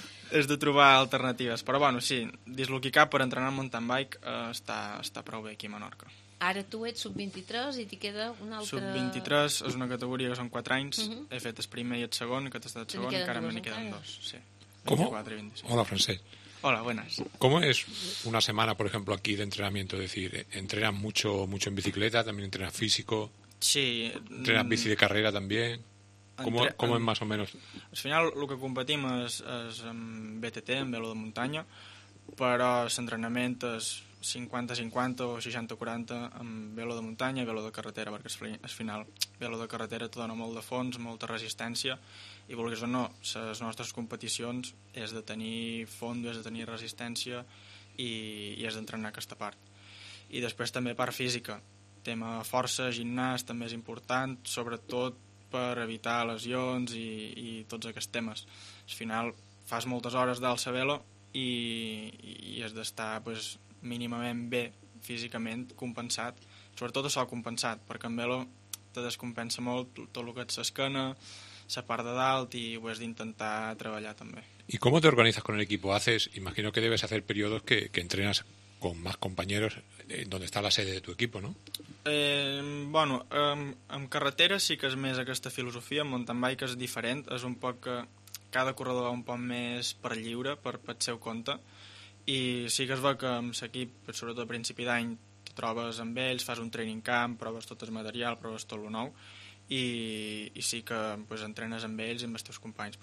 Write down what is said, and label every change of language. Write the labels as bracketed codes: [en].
[ca] És de trobar alternatives. Però bueno, sí, dislocar per entrenar mountain bike està prou bé aquí a Menorca. Ara tu ets sub-23 i t'hi queda una altra... Sub-23 és una categoria que són 4 anys. Uh-huh. He fet el primer i el segon, aquest ha estat el segon, encara me n'hi queden dos. Sí. ¿Cómo? 24 i 25. Hola, Francesc. [es] Hola, buenas. ¿Cómo es una semana, por ejemplo, aquí de entrenamiento? Es decir, ¿entrenas mucho en bicicleta? ¿También entrenas físico? Sí. ¿Entrenas bici de carrera también? ¿Cómo es más o menos? [ca] Al final, lo que competim és en BTT, en velo de muntanya, però l'entrenament és 50-50 o 60-40 amb velo de muntanya i velo de carretera, perquè al final velo de carretera et dona molt de fons, molta resistència, i vulguis o no, les nostres competicions és de tenir fons, és de tenir resistència i és d'entrenar aquesta part. I després també part física, tema força, gimnàs també és important, sobretot per evitar lesions i tots aquests temes. Al final fas moltes hores d'alça velo i has d'estar, pues, mínimament bé físicament, compensat, sobretot això compensat, perquè amb velo te descompensa molt tot el que et s'esquena, la part de dalt, i ho has d'intentar treballar també. [es] ¿Y cómo te organizas con el equipo? Haces, imagino que debes hacer periodos que entrenas con más compañeros donde está la sede de tu equipo, ¿no? [ca] Bueno, en carretera sí que és més aquesta filosofia, en mountain bike és diferent, és un poc que cada corredor va un poc més per lliure, per seu compte, i sí que es veu que amb l'equip, sobretot a principi d'any, te trobes amb ells, fas un training camp, proves tot el material, proves tot el nou, i sí que, pues, entrenes amb ells i amb els teus companys.